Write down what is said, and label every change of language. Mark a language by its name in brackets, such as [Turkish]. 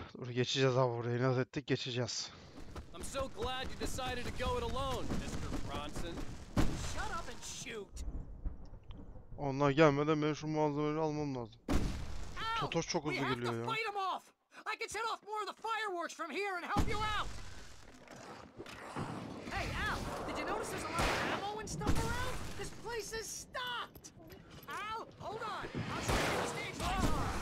[Turkish] Geçeceğiz abi burayı. İnat ettik, geçeceğiz. [English] I'm so glad you decided to go it alone, Mr. Bronson. Shut up and shoot. [Turkish] Onlar gelmeden ben şu malzemeleri almam lazım. Totoş çok hızlı geliyor ya. [English] I can set off more of the fireworks from here and help you out. Hey Al, did you notice there's a lot of ammo and stuff around? This place is stocked. Al, hold on. I'll see you on the stage later.